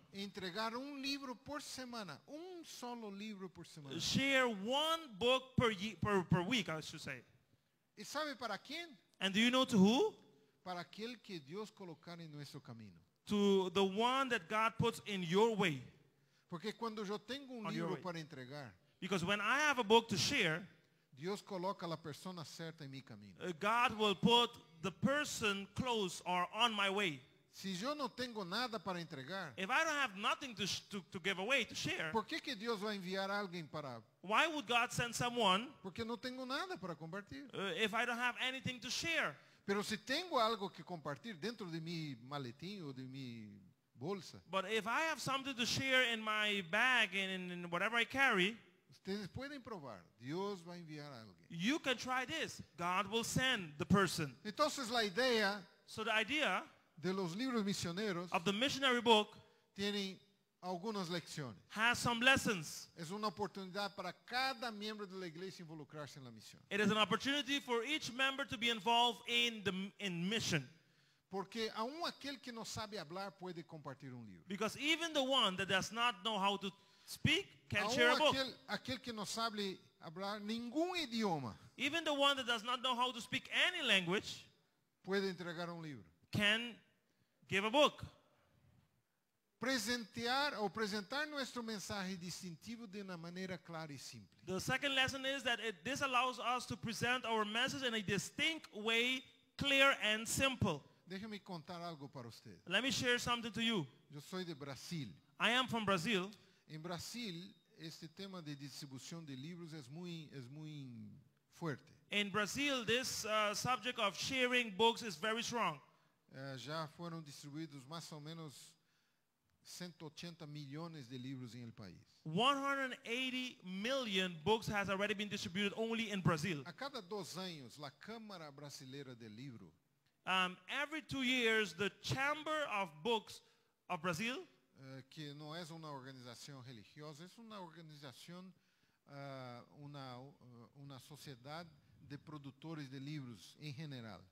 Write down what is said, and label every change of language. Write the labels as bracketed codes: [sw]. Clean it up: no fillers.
[pt] Entregar um livro por semana, um solo livro por semana. [en] Share one book per week, I should say. [pt] E sabe para quem? [en] And do you know to who? [pt] Para aquele que Deus colocar em nosso caminho. [en] To the one that God puts in your way. [pt] Porque quando eu tenho livro para entregar. [en] Because when I have a book to share, [pt] Deus coloca a pessoa certa em meu caminho. [en] God will put the person close or on my way. [pt] Se eu não tenho nada para entregar, [en] if I don't have nothing to give away, to share, [pt] por que Deus vai enviar alguém para? [en] Why would God send someone? [pt] Porque não tenho nada para compartilhar. [en] If I don't have anything to share. [pt] Pero se tenho algo que compartilhar dentro de minha maletinha ou de minha bolsa. [en] But if I have something to share in my bag and in whatever I carry. [pt] Vocês podem provar. Deus vai enviar alguém. [en] You can try this. God will send the person. [pt] Então, a ideia. [en] So the idea. [es] De los libros misioneros [en] of the missionary book [es] tienen algumas lecciones. [en] Has some lessons. [pt] É uma oportunidade para cada membro da igreja involucrar-se na missão. [en] It is an opportunity for each member to be involved in mission. [pt] Porque a um aquele que não sabe falar pode compartilhar livro. [en] Because even the one that does not know how to speak can share a book. [pt] Aquele que não sabe falar nenhum idioma. [en] Even the one that does not know how to speak any language [pt] pode entregar livro. [en] Can give a book. [pt] Presentear ou apresentar nosso mensagem distintivo de uma maneira clara e simples. [en] The second lesson is that this allows us to present our message in a distinct way, clear and simple. [pt] Deixe-me contar algo para vocês. [en] Let me share something to you. [pt] Eu sou de Brasil. [en] I am from Brazil. [pt] Em Brasil, este tema de distribuição de livros é muito forte. [en] In Brazil, this subject of sharing books is very strong. [pt] Já foram distribuídos mais ou menos 180 milhões de livros em [es] el país. [en] 180 million books has already been distributed only in Brazil. [pt] A cada dois anos, a Câmara Brasileira de Livro. [en] Every 2 years, the Chamber of Books of Brazil, [pt] que não é uma organização religiosa, é uma organização, uma sociedade de produtores de livros em geral.